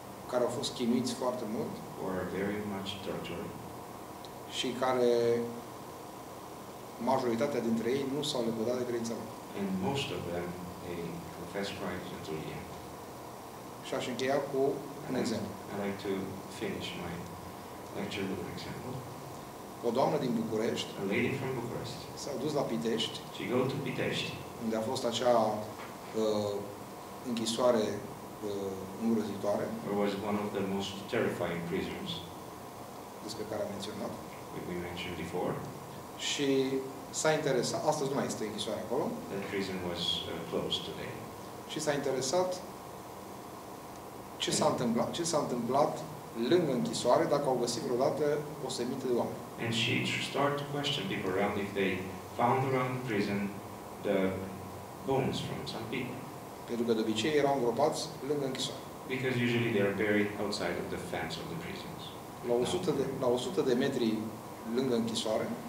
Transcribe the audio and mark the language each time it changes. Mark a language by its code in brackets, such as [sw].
[ro] Care au fost chinuiți foarte mult. [en] Or very much tortured. [ro] Și care majoritatea dintre ei nu s-au lepădat de credința lor. [en] And most of them, they confess Christ until the end. [ro] Și aș încheia cu un exemplu. [en] I'd like to finish my lecture with an example. [ro] O doamnă din București, [en] a lady from Bucharest, [ro] s-a dus la Pitești, [en] she go to Pitești, [ro] unde a fost acea închisoare îngrozitoare, [en] where was one of the most terrifying prisons, [ro] despre care am menționat, [en] which we mentioned before, [ro] și s-a interesat, astăzi nu mai este închisoare acolo. [en] The prison was closed today. [ro] Și s-a interesat ce s-a întâmplat, ce s-a întâmplat lângă închisoare, dacă au găsit vreodată o semită de oameni. [en] And she started to question people around if they found around the prison the bones from some people. [ro] Pentru că de obicei erau îngropați lângă închisoare. [en] Because usually they are buried outside of the fence of the prisons. [ro] La 100 de metri lângă închisoare.